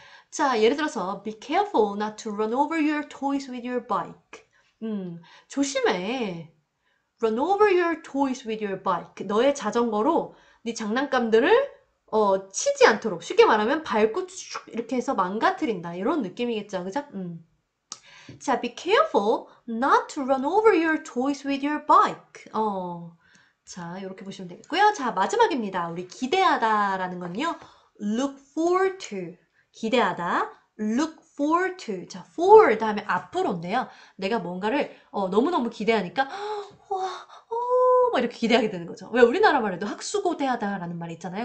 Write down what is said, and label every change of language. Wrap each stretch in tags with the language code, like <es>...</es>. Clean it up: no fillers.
<en>자, 예를 들어서 be careful not to run over your toys with your bike.</en> <ko>조심해.</ko> <en>run over your toys with your bike.</en> <ko>너의 자전거로 네 장난감들을 치지 않도록 쉽게 말하면 밟고 이렇게 해서 망가뜨린다 이런 느낌이겠죠, 그죠?</ko> <en>자, be careful not to run over your toys with your bike.</en> <ko>자, 이렇게 보시면 되겠고요. 자, 마지막입니다. 우리 기대하다라는 건요, look forward to 기대하다, look forward to. 자, for 다음에 앞으로인데요. 내가 뭔가를 너무너무 기대하니까 와. 막 이렇게 기대하게 되는 거죠. 왜 우리나라 말에도 학수고대하다라는 말이 있잖아요.</ko>